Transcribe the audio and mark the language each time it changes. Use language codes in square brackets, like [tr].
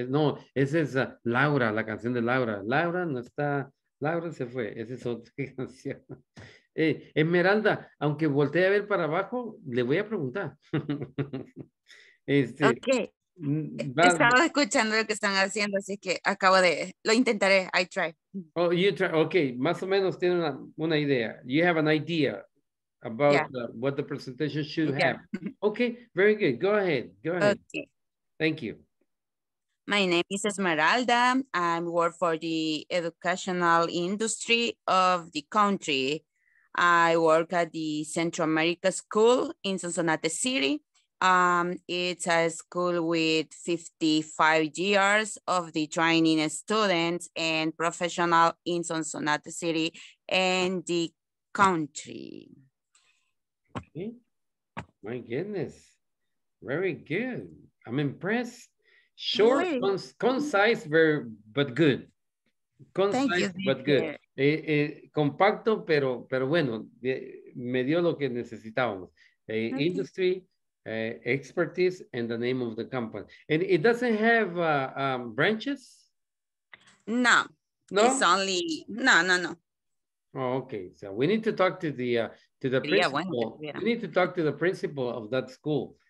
[es] No, esa es Laura, la canción de Laura. Laura no está, Laura se fue. Esa es otra canción. Esmeralda, aunque voltee a ver para abajo, le voy a preguntar. Ok. Estaba escuchando lo que están haciendo, así que acabo de, lo intentaré. [en] I try. Oh, you try. [es] Ok, más o menos tiene una idea. [en] You have an idea about what the presentation should have. Okay, very good. Go ahead. Okay. Thank you. My name is Esmeralda. I work for the educational industry of the country. I work at the Central America School in Sonsonate City. It's a school with 55 years of the training students and professional in Sonsonate City and the country. Okay. My goodness. Very good. I'm impressed. Short, concise, very, but good. Concise, thank you, but good. [es] Compacto, pero bueno, me dio lo que necesitábamos. [en] Industry, expertise, and the name of the company. And it doesn't have branches? No. No? It's only, no. Oh, okay. So we need to talk to the principal. Yeah, when, yeah. We need to talk to the principal of that school.